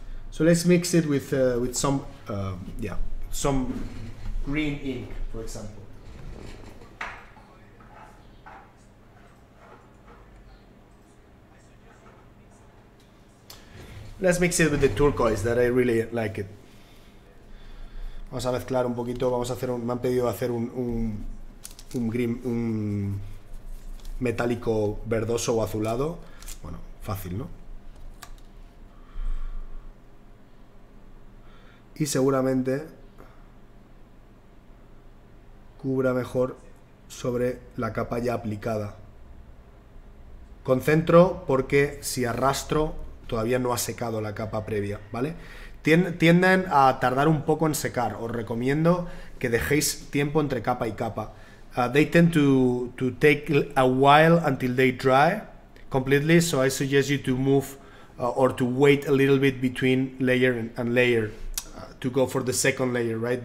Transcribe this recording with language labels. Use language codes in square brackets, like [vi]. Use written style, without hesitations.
[en] So let's mix it with some some green ink, for example. Let's mix it with the turquoise that I really like it. [es] Vamos a mezclar un poquito. Vamos a hacer un, me han pedido hacer un green, un metálico verdoso o azulado. Bueno, fácil, ¿no? Y seguramente cubra mejor sobre la capa ya aplicada. Concentro porque si arrastro todavía no ha secado la capa previa, ¿vale? Tienden a tardar un poco en secar. Os recomiendo que dejéis tiempo entre capa y capa. [en] They tend to take a while until they dry completely, so I suggest you to move or to wait a little bit between layer and layer to go for the second layer, right?